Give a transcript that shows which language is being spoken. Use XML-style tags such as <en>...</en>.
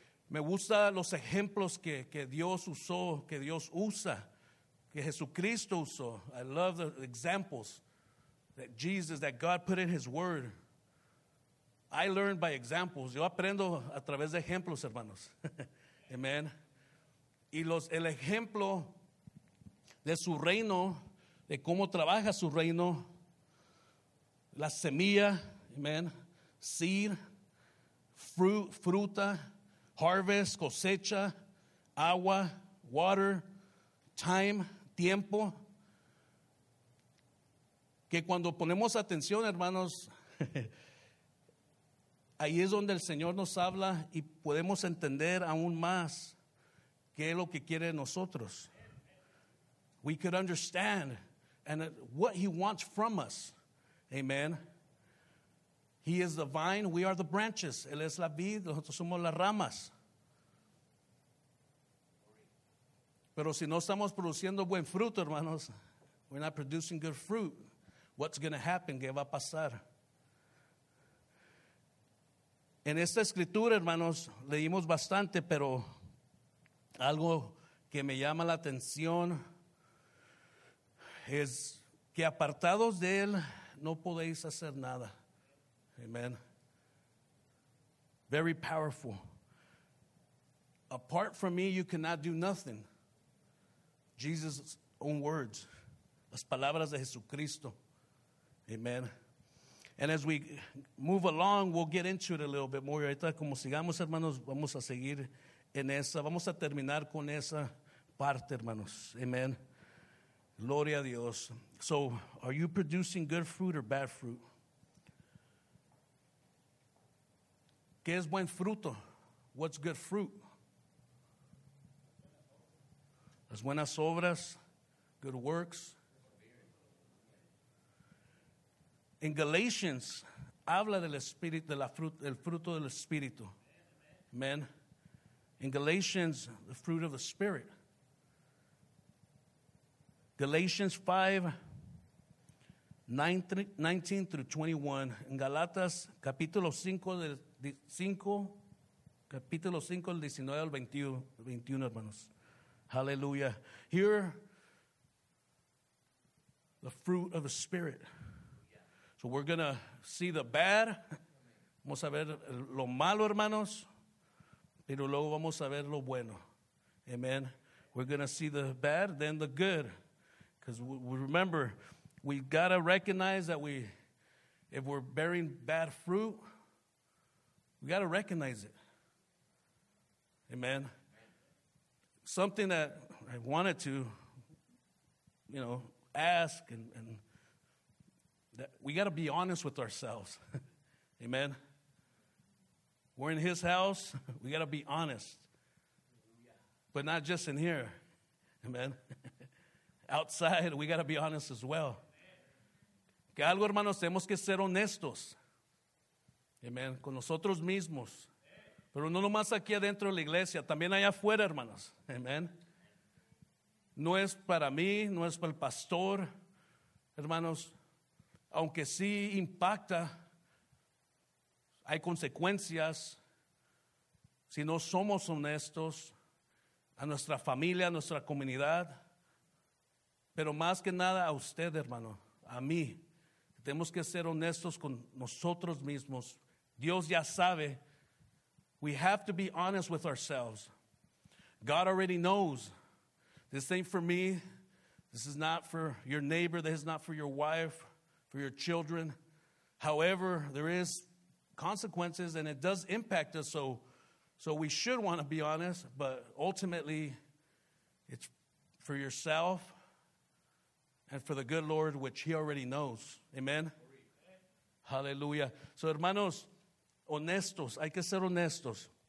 <es>Me gusta los ejemplos que Dios usó, que Dios usa, que Jesucristo usó.</es> <en>I love the examples that Jesus, that God put in his word. I learned by examples.</en> <es>Yo aprendo a través de ejemplos, hermanos. Amen. Y los, el ejemplo de su reino, de cómo trabaja su reino, la semilla, amen,</es> <en>seed, fruit,</en> <es>fruta,</es> <en>harvest,</en> <es>cosecha, agua,</es> <en>water, time,</en> <es>tiempo. Que cuando ponemos atención, hermanos, ahí es donde el Señor nos habla y podemos entender aún más qué es lo que quiere de nosotros.</es> <en>We could understand and what he wants from us. Amen. He is the vine, we are the branches.</en> <es>Él es la vid, nosotros somos las ramas. Pero si no estamos produciendo buen fruto, hermanos,</es> <en>we're not producing good fruit, what's going to happen?</en> <es>¿Qué va a pasar? En esta escritura, hermanos, leímos bastante, pero algo que me llama la atención es que apartados de él no podéis hacer nada.</es> <en>Amen. Very powerful. Apart from me, you cannot do nothing. Jesus' own words.</en> <es>Las palabras de Jesucristo. Amen.</es> <en>And as we move along, we'll get into it a little bit more.</en> <es>Ahorita, como sigamos, hermanos, vamos a seguir en esa. Vamos a terminar con esa parte, hermanos. Amen. Gloria a Dios.</es> <en>So, are you producing good fruit or bad fruit?</en> <es>¿Qué es buen fruto?</es> <en>What's good fruit?</en> <es>Las buenas obras,</es> <en>good works.</en> <es>En Galatians, habla del espíritu, de la fruto, el fruto del espíritu. Amen.</es> <en>In Galatians, the fruit of the spirit. Galatians 5, 19 through 21.</en> <es>En Galatas, capítulo 5, del 5, capítulo 5, del 19 al 21, hermanos.</es> <en>Hallelujah. Here, the fruit of the spirit. So we're going to see the bad.</en> <es>Vamos a ver lo malo, hermanos. Pero luego vamos a ver lo bueno. Amen.</es> <en>We're going to see the bad, then the good. Because we remember, we got to recognize that if we're bearing bad fruit, we got to recognize it. Amen. Something that I wanted to, you know, ask and that we got to be honest with ourselves. Amen. We're in his house. We got to be honest. But not just in here. Amen. Outside, we got to be honest as well.</en> <es>Que algo, hermanos, tenemos que ser honestos. Amen. Con nosotros mismos. Pero no nomás aquí adentro de la iglesia, también allá afuera, hermanos. Amen. No es para mí, no es para el pastor. Hermanos, aunque sí impacta, hay consecuencias. Si no somos honestos a nuestra familia, a nuestra comunidad, pero más que nada a usted, hermano, a mí, tenemos que ser honestos con nosotros mismos. Dios ya sabe.</es> <en>We have to be honest with ourselves. God already knows. This ain't for me. This is not for your neighbor. This is not for your wife, for your children. However, there is consequences and it does impact us. So we should want to be honest, but ultimately it's for yourself and for the good Lord, which he already knows. Amen. Hallelujah.</en> <es>So hermanos, honestos, hay que ser honestos.</es>